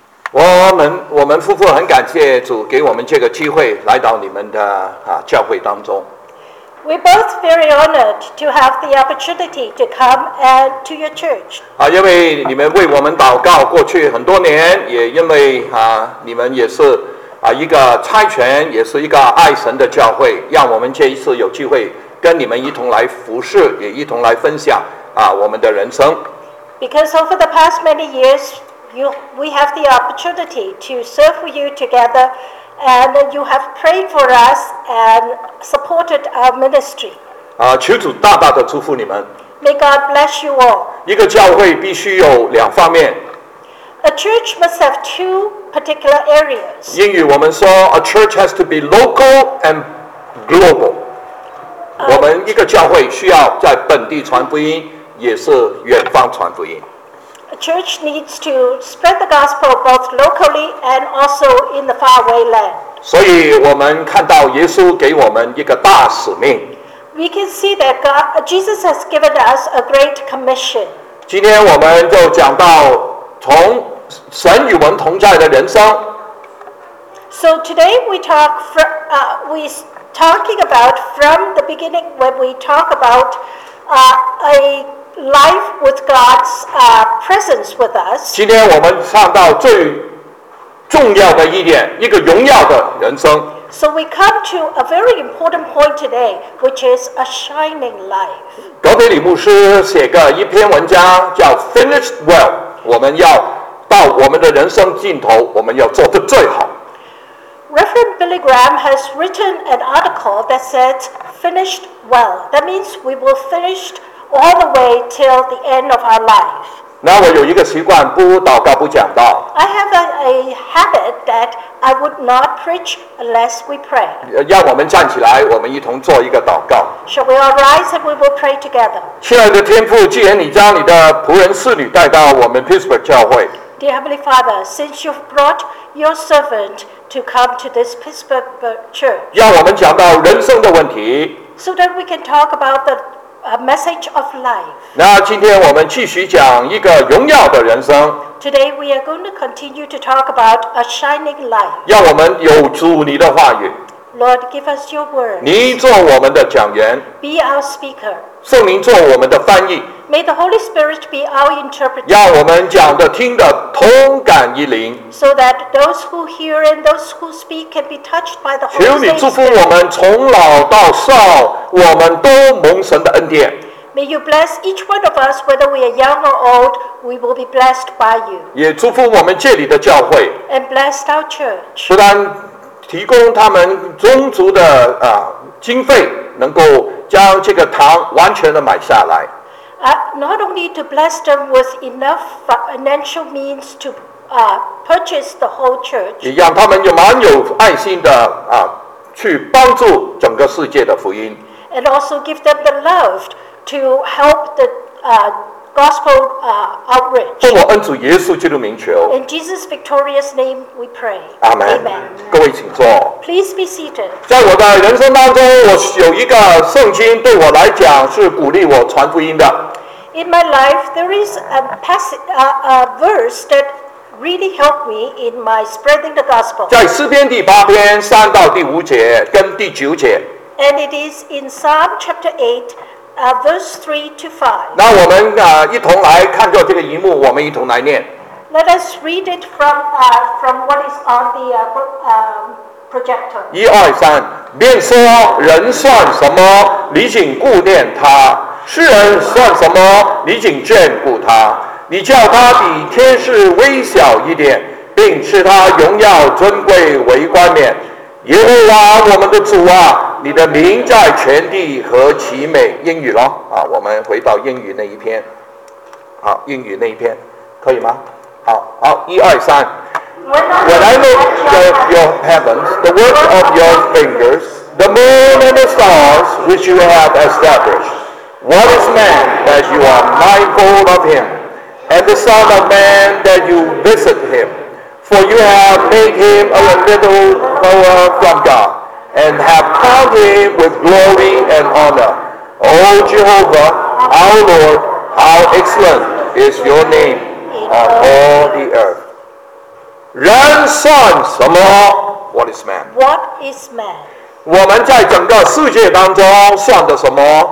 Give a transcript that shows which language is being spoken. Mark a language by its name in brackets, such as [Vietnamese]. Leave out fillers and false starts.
[Chinese] 我们夫妇很感谢主给我们这个机会来到你们的教会当中。 [English] We both very honored to have the opportunity to come and to your church. [Chinese] 因为你们为我们祷告过去很多年，也因为你们也是一个差遣，也是一个爱神的教会，让我们这一次有机会跟你们一同来服侍，也一同来分享我们的人生。 [English] Because over the past many years, we have the opportunity to serve with you together, and you have prayed for us and supported our ministry. [Chinese] 求主大大的祝福你们。 [English] May God bless you all. [Chinese] 一个教会必须有两方面。 [English] A church must have two particular areas. [Chinese] 英语我们说 [English] ，a church has to be local and global. [Chinese] 我们一个教会需要在本地传福音，也是远方传福音。 [English] A church needs to spread the gospel both locally and also in the faraway land. [Chinese] 所以我们看到耶稣给我们一个大使命。 [English] We can see that Jesus has given us a great commission. [Chinese] 今天我们就讲到从神与我们同在的人生。 [English] So today we talking about from the beginning when we talk about a life with God's presence with us. [Chinese] 今天我们上到最重要的一点，一个荣耀的人生。 [English] So we come to a very important point today, which is a shining life. [Chinese] 格培里牧师写个一篇文章叫 "Finished Well"， 我们要到我们的人生尽头，我们要做得最好。 [English] Reverend Billy Graham has written an article that says "finished well." That means we will finish all the way till the end of our life. [Chinese] 那我有一个习惯，不祷告不讲道。 [English] I have a habit that I would not preach unless we pray. [Chinese] 让我们站起来，我们一同做一个祷告。 [English] Shall we all rise and we will pray together? [Chinese] 亲爱的天父，既然你将你的仆人侍女带到我们 Pittsburgh 教会。 [English] Dear Heavenly Father, since you've brought your servant to come to this Pittsburgh church, [Chinese] 让我们讲到人生的问题 [English] so that we can talk about the message of life. [Chinese] 那今天我们继续讲一个荣耀的人生 [English] Today we are going to continue to talk about a shining life. [Chinese] 让我们有主你的话语 [English] Lord, give us your word. [Chinese] 你做我们的讲员 [English] Be our speaker. [Chinese] 圣灵做我们的翻译 [English] May the Holy Spirit be our interpreter. [Chinese] 让我们讲的听的通感一灵 [English] So that those who hear and those who speak can be touched by the Holy Spirit. [Chinese] 求你祝福我们从老到少，我们都蒙神的恩典。 [English] May you bless each one of us, whether we are young or old, we will be blessed by you. [Chinese] 也祝福我们这里的教会。 [English] And bless our church. [Chinese] 不但提供他们充足的经费，能够将这个堂完全的买下来。 [English] Not only to bless them with enough financial means to purchase the whole church, [Chinese] 也让他们有蛮有爱心的去帮助整个世界的福音。 [English] And also give them the love to help the gospel outreach. [Chinese] 奉我恩主耶稣基督名求。 [English] In Jesus' victorious name, we pray. [Chinese] Amen. 各位请坐。 [English] Please be seated. [Chinese] 在我的人生当中，我有一个圣经对我来讲是鼓励我传福音的。 [English] In my life, there is a verse that really helped me in my spreading the gospel. [Chinese] 在诗篇第八篇三到第五节跟第九节。 [English] And it is in Psalm chapter 8, verse 3 to 5. [Chinese] 那我们一同来看着这个荧幕，我们一同来念。 [English] Let us read it from what is on the projector. [Chinese] 一二三，便说人算什么？你竟顾念他。世人算什么？你竟眷顾他？你叫他比天使微小一点，并赐他荣耀尊贵为冠冕。耶和华我们的主啊，你的名在全地何其美！英语咯，我们回到英语那一篇。好，英语那一篇，可以吗？好，一二三。 [English] When I look at your heavens, the work of your fingers, the moon and the stars which you have established. What is man that you are mindful of him, and the son of man that you visit him? For you have made him a little lower from God, and have crowned him with glory and honor. O Jehovah, our Lord, how excellent is your name on all the earth. [Chinese] 人算什么? [English] What is man? What is man? [Chinese] 我们在整个世界当中算的什么?